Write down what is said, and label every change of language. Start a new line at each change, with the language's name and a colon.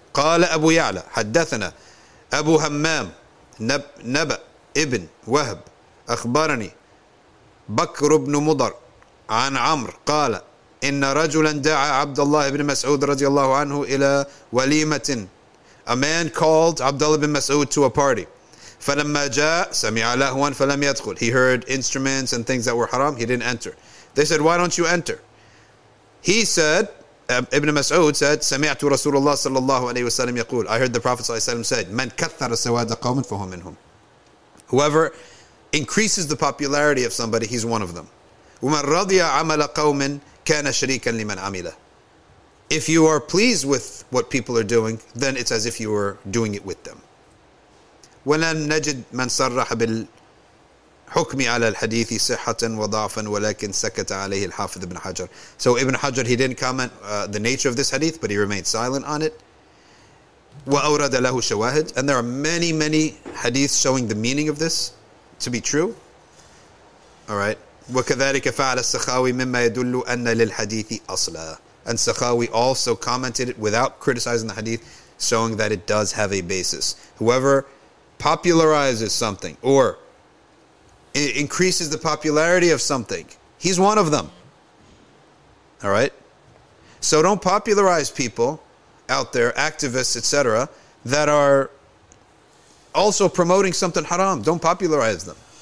Arabic: قال أبو يعلى حدثنا أبو همام نبأ ابن وهب أخبرني بكر بن مضر عن عمرو قال إن رجلا دعا عبد الله بن مسعود رضي الله عنه إلى وليمة.
English: A man called Abdullah bin Mas'ud to a party.
Arabic: فلما جاء سمع لهوا فلم يدخل.
English: He heard instruments and things that were haram. He didn't enter. They said, why don't you enter? He said, Ibn Mas'ud said,
Arabic: سمعت رسول الله صلى الله عليه وسلم يقول,
English: I heard the Prophet صلى الله عليه وسلم said,
Arabic: من كثر سواد قوم فهو منهم.
English: Whoever increases the popularity of somebody, he's one of them.
Arabic: ومن رضي عمل قوم كان شريكا لمن عمله.
English: If you are pleased with what people are doing, then it's as if you were doing it with them.
Arabic: ولن نجد من صرح بالحكم على الحديث صحة وضعفا ولكن سكت عليه الحافظ ابن حجر.
English: So Ibn Hajar, he didn't comment the nature of this hadith, but he remained silent on it.
Arabic: وأورد له شواهد.
English: And there are many, many hadiths showing the meaning of this to be true. All right.
Arabic: وكذلك فعل السخاوي مما يدل أن للحديث أصلا.
English: And Sakhawi also commented it without criticizing the hadith, showing that it does have a basis. Whoever popularizes something or increases the popularity of something, he's one of them. All right? So don't popularize people out there, activists, etc., that are also promoting something haram. Don't popularize them.